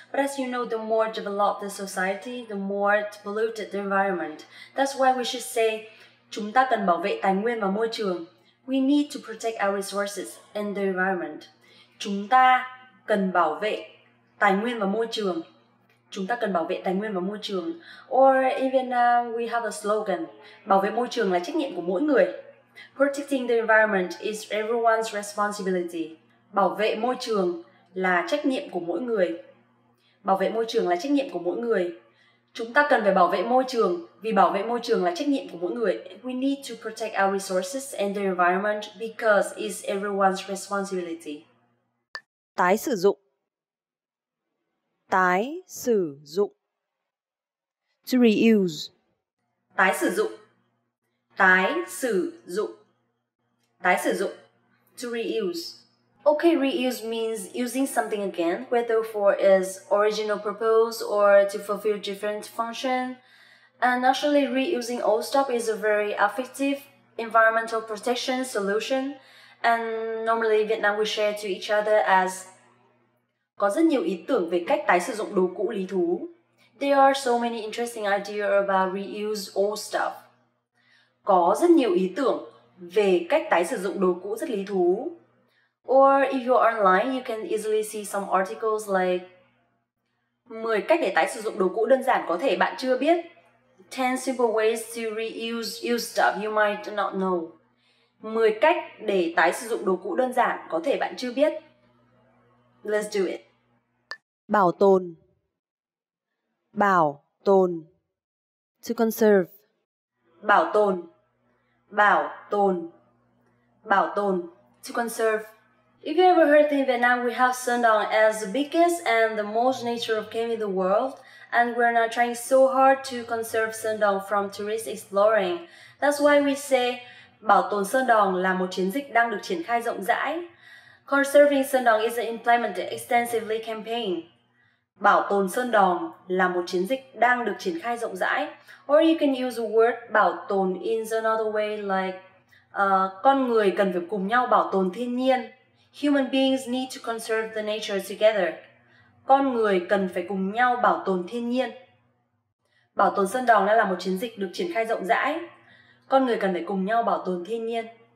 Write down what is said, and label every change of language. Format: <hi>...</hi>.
<en>But as you know, the more developed the society, the more polluted the environment. That's why we should say,</en> <vi>chúng ta cần bảo vệ tài nguyên và môi trường.</vi> <en>We need to protect our resources and the environment.</en> <vi>Chúng ta cần bảo vệ tài nguyên và môi trường. Chúng ta cần bảo vệ tài nguyên và môi trường.</vi> <en>Or even we have a slogan,</en> <vi>bảo vệ môi trường là trách nhiệm của mỗi người.</vi> <en>Protecting the environment is everyone's responsibility.</en> <vi>Bảo vệ môi trường là trách nhiệm của mỗi người. Bảo vệ môi trường là trách nhiệm của mỗi người. Chúng ta cần phải bảo vệ môi trường vì bảo vệ môi trường là trách nhiệm của mỗi người.</vi> <en>We need to protect our resources and the environment because it's everyone's responsibility.</en> <vi>Tái sử dụng. Tái sử dụng.</vi> <en>To reuse.</en> <vi>Tái sử dụng. Tái sử dụng. Tái sử dụng.</vi> <en>To reuse. Okay, reuse means using something again, whether for its original purpose or to fulfill different function. And actually, reusing old stuff is a very effective environmental protection solution. And normally, Vietnam we share to each other as</en> <vi>có rất nhiều ý tưởng về cách tái sử dụng đồ cũ lý thú.</vi> <en>There are so many interesting ideas about reuse old stuff.</en> <vi>Có rất nhiều ý tưởng về cách tái sử dụng đồ cũ rất lý thú.</vi> <en>Or if you're online, you can easily see some articles like</en> <vi>10 cách để tái sử dụng đồ cũ đơn giản có thể bạn chưa biết.</vi> <en>10 simple ways to reuse used stuff you might not know.</en> <vi>10 cách để tái sử dụng đồ cũ đơn giản có thể bạn chưa biết.</vi> <en>Let's do it.</en> <vi>Bảo tồn. Bảo tồn.</vi> <en>To conserve.</en> <vi>Bảo tồn. Bảo tồn. Bảo tồn.</vi> <en>To conserve. If you ever heard in Vietnam, we have Sơn Đòn as the biggest and the most natural cave in the world, and we're not trying so hard to conserve Sơn Đòn from tourist exploring. That's why we say</en> <vi>bảo tồn Sơn Đòn là một chiến dịch đang được triển khai rộng rãi.</vi> <en>Conserving Sơn Đòn is an implemented extensively campaign.</en> <vi>Bảo tồn Sơn Đòn là một chiến dịch đang được triển khai rộng rãi.</vi> <en>Or you can use the word bảo tồn in another way, like</en> <vi>con người cần phải cùng nhau bảo tồn thiên nhiên.</vi> <en>Human beings need to conserve the nature together.</en> <vi>Con người cần phải cùng nhau bảo tồn thiên nhiên. Bảo tồn Sơn Đòn là một chiến dịch được triển khai rộng rãi. Con người cần phải cùng nhau bảo tồn thiên nhiên.</vi>